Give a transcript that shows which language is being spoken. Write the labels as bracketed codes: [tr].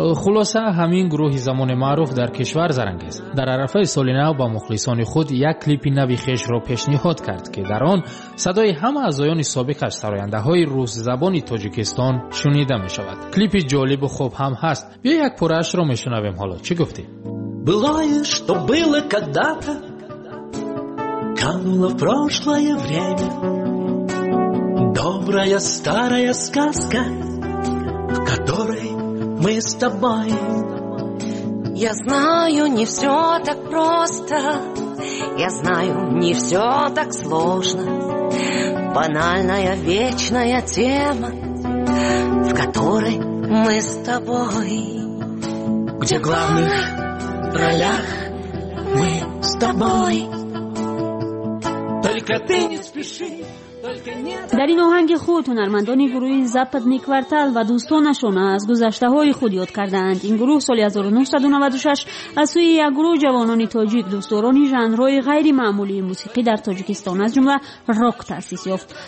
[fa] خلاصه همین گروه زمان معروف در کشور زرنگیز در عرفه سال نو با مخلصان خود یک کلیپ نوی خیش را پیشنهاد کرد که در آن صدای همه از اعضای سابقش سراینده های روس زبان تاجیکستان شنیده می شود. کلیپ جالب و خوب هم هست، بیا یک پرش را می شنویم. حالا چی گفتی؟ [ru] Бывает, что было когда-то, кануло в прошлое время. Добрая старая сказка, в которой мы с тобой. Я знаю, не все так просто, я знаю, не все так сложно. Банальная вечная тема, в которой мы с тобой. Где главных в ролях мы с тобой. Только ты не спеши. [fa] در این آهنگ خود هنرمندان گروه زپدنی کوارتال و دوستانشون از گذشته های خود یاد کردند. این گروه سال 1996 از سوی یک گروه جوانان تاجیک دوستداران ژانرهای غیر معمولی موسیقی در تاجیکستان از جمله راک تأسیس یافت.